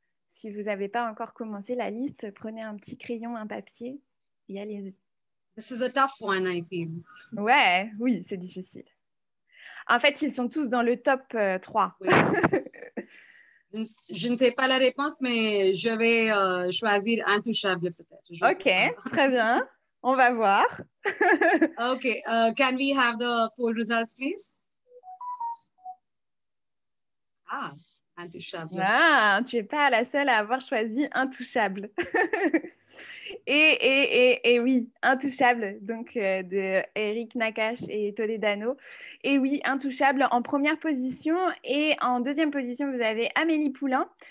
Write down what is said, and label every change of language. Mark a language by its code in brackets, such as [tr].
[fr] Si vous n'avez pas encore commencé la liste, prenez un petit crayon, un papier et allez-y. [en] This is a tough one, I think. [fr] Ouais, oui, c'est difficile. En fait, ils sont tous dans le top 3. Oui. Je ne sais pas la réponse, mais je vais choisir Intouchable peut-être. OK, très bien. On va voir. [en] OK, can we have the poll results, please? [fr] Ah, Intouchable. Ah, tu n'es pas la seule à avoir choisi Intouchable. et oui, Intouchable, donc de Eric Nakache et Toledano. Et oui, Intouchable en première position. Et en deuxième position, vous avez Amélie Poulain.